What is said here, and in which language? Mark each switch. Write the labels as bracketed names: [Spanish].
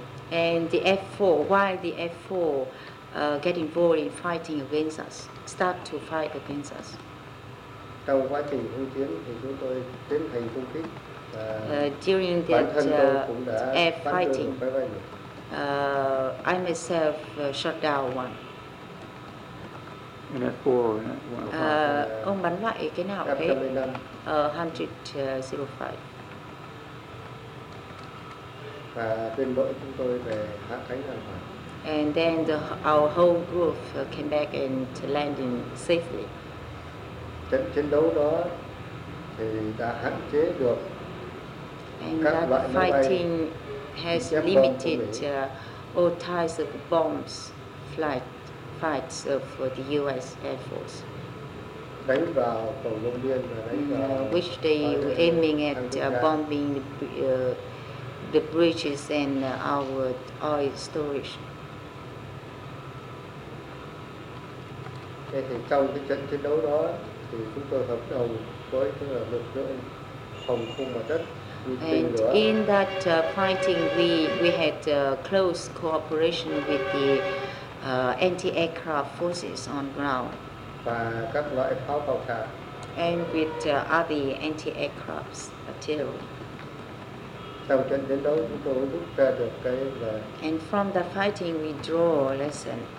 [English] And the F-4, while the F-4 get involved in fighting against us, start to fight against us. [Vietnamese] Trong quá trình hung chiến thì chúng tôi tiến hành công kích và [English] during [Vietnamese] bản thân tôi cũng đã [English] air fighting, [Vietnamese] bắn rơi một máy bay. [English] I myself shot down one. In F-4 [Vietnamese] ông bắn lại cái nào đấy? [English] F-105. [Vietnamese] Và bên đội chúng tôi về hạ cánh an toàn. [English] And then our whole group came back and landed safely. [Vietnamese] Trận chiến đấu đó thì đã hạn chế được [English] and [Vietnamese] các loại máy bay. [English] Fighting has limited all types of bombs flights of the U.S. Air Force. [Vietnamese] đánh vào cầu Long Biên và đánh [English] which they were aiming at bombing the bridges and our oil storage. [Vietnamese] Thế thì trong cái trận chiến đấu đó thì chúng tôi hợp đồng với cái lực lượng phòng không mặt đất. [English] And in that fighting, we had close cooperation with the anti-aircraft forces on ground. [Vietnamese] Và các loại pháo bao tràn. [English] And with other anti-aircraft artillery. [Vietnamese] Sau trận chiến đấu, chúng tôi rút ra được cái là. [English] And from the fighting, we draw a lesson.